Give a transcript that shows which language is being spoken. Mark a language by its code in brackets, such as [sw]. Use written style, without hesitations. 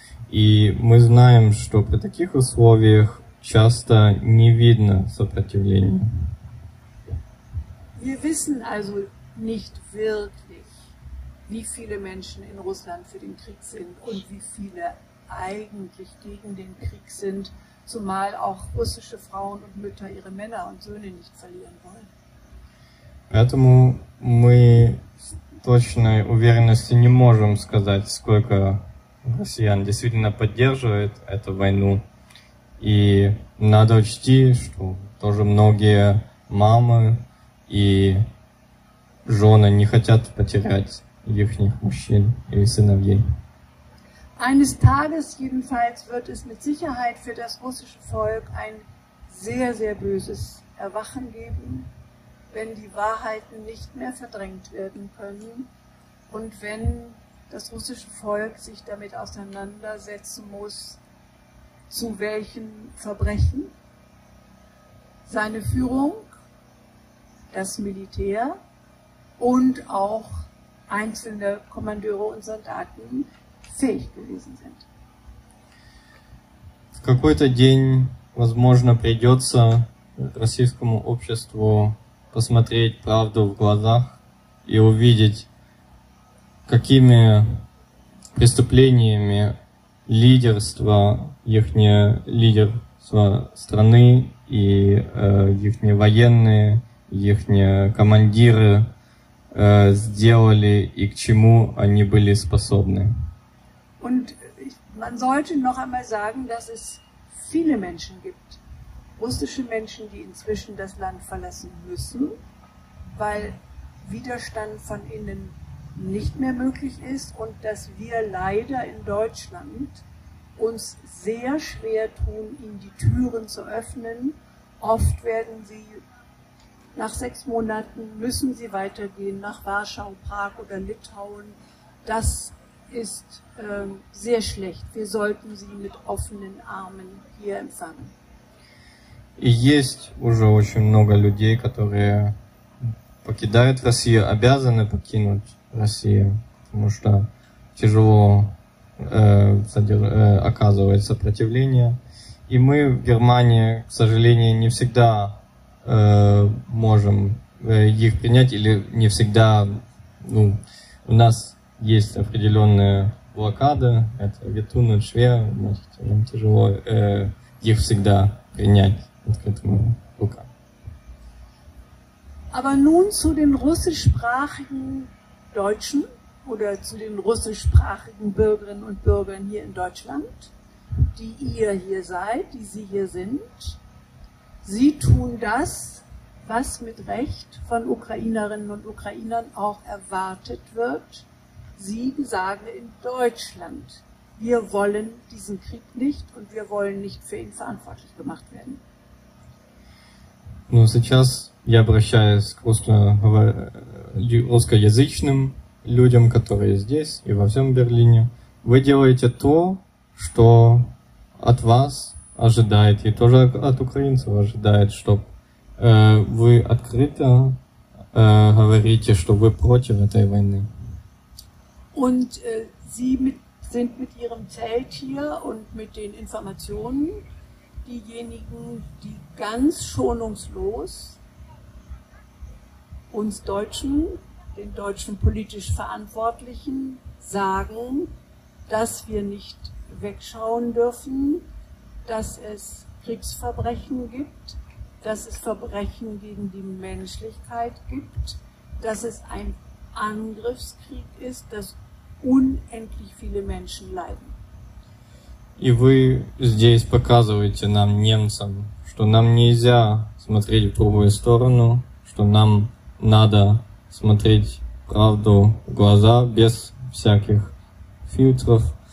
[ru] И мы знаем, что при таких условиях часто не видно сопротивления. [de] Wir wissen also nicht wirklich, wie viele Menschen in Russland für den Krieg sind und wie viele eigentlich gegen den Krieg sind, zumal auch russische Frauen und Mütter ihre Männer und Söhne nicht verlieren wollen. [ru] Поэтому мы с точной уверенностью не можем сказать, сколько россиян действительно поддерживает эту войну. И надо учтить, что тоже многие мамы и жены не хотят потерять ихних мужчин и сыновей. [de] Eines Tages jedenfalls wird es mit Sicherheit für das russische Volk ein sehr, sehr böses Erwachen geben, wenn die Wahrheiten nicht mehr verdrängt werden können und wenn das russische Volk sich damit auseinandersetzen muss, zu welchen Verbrechen seine Führung, das Militär und auch einzelne Kommandeure und Soldaten fähig gewesen sind. [ru] В какой-то день, возможно, придется российскому обществу посмотреть правду в глазах и увидеть, какими преступлениями лидерство, ихнее лидерство страны и ихние военные, ихние командиры сделали и к чему они были способны. [de] Und man sollte noch einmal sagen, dass es viele Menschen gibt, russische Menschen, die inzwischen das Land verlassen müssen, weil Widerstand von innen nicht mehr möglich ist und dass wir leider in Deutschland uns sehr schwer tun, ihnen die Türen zu öffnen. Oft werden sie nach 6 Monaten müssen sie weitergehen nach Warschau, Prag oder Litauen. Das ist sehr schlecht. Wir sollten sie mit offenen Armen hier empfangen. [ru] И есть уже очень много людей, которые покидают Россию, обязаны покинуть Россию, потому что тяжело оказывать сопротивление. И мы в Германии, к сожалению, не всегда можем их принять, или не всегда, ну, у нас есть определенные блокады, это Витун, Швер, значит, нам тяжело их всегда принять к этому рукам. [de] Aber nun zu den russischsprachigen Deutschen oder zu den russischsprachigen Bürgerinnen und Bürgern hier in Deutschland, die ihr hier seid, die sie hier sind. Sie tun das, was mit Recht von Ukrainerinnen und Ukrainern auch erwartet wird. Sie sagen in Deutschland, wir wollen diesen Krieg nicht und wir wollen nicht für ihn verantwortlich gemacht werden. [ru] Ну, сейчас я обращаюсь к русскоязычным людям, которые здесь и во всем Берлине. Вы делаете то, что от вас ожидает, и тоже от украинцев ожидает, чтобы вы открыто говорите, что вы против этой войны. [de] Und sie sind mit ihrem Zelt hier und mit den Informationen diejenigen, die ganz schonungslos uns Deutschen, den deutschen politisch Verantwortlichen, sagen, dass wir nicht wegschauen dürfen, dass es Kriegsverbrechen gibt, dass es Verbrechen gegen die Menschlichkeit gibt, dass es ein Angriffskrieg ist, dass unendlich viele Menschen leiden. [ru] И вы здесь показываете нам, немцам, что нам нельзя смотреть в другую сторону, что нам надо смотреть правду в глаза без всяких фильтров.